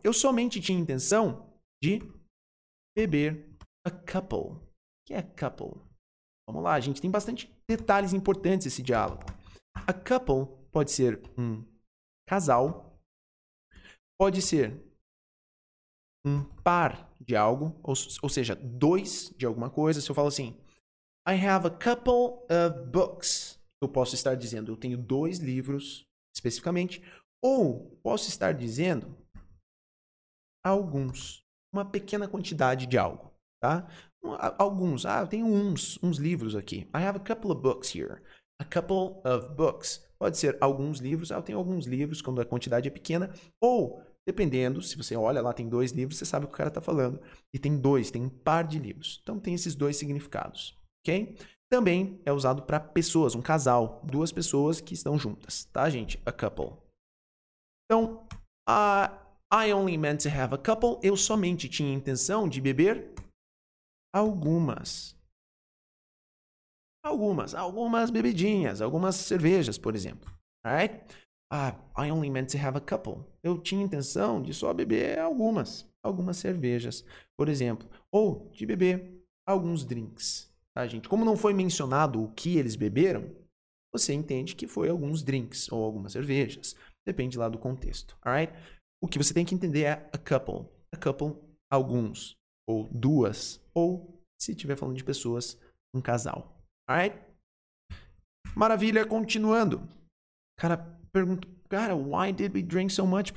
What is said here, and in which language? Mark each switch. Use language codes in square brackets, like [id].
[pt] Eu somente tinha intenção de beber a couple. O que é a couple? Vamos lá, gente. Tem bastante detalhes importantes esse diálogo. A couple pode ser um casal, pode ser um par de algo, ou seja, dois de alguma coisa. Se eu falo assim, [en] I have a couple of books. [pt] Eu posso estar dizendo, eu tenho dois livros, especificamente. Ou posso estar dizendo, alguns. Uma pequena quantidade de algo, tá? Alguns. Eu tenho uns livros aqui. [en] I have a couple of books here. A couple of books. [pt] Pode ser alguns livros. Eu tenho alguns livros quando a quantidade é pequena. Ou, dependendo, se você olha lá, tem dois livros, você sabe o que o cara está falando. E tem dois, tem um par de livros. Então, tem esses dois significados, ok? Também é usado para pessoas, um casal. Duas pessoas que estão juntas, tá, gente? [en] A couple. Então, I only meant to have a couple. [pt] Eu somente tinha a intenção de beber algumas. Algumas bebidinhas, algumas cervejas, por exemplo. [en] Alright? I only meant to have a couple. [pt] Eu tinha intenção de só beber algumas cervejas, por exemplo. Ou de beber alguns drinks, tá, gente? Como não foi mencionado o que eles beberam, você entende que foi alguns drinks ou algumas cervejas. Depende lá do contexto, alright? O que você tem que entender é a couple. A couple, alguns, ou duas, ou, se estiver falando de pessoas, um casal, alright? Maravilha, continuando. Cara, pergunto, cara, [en] why did we drink so much?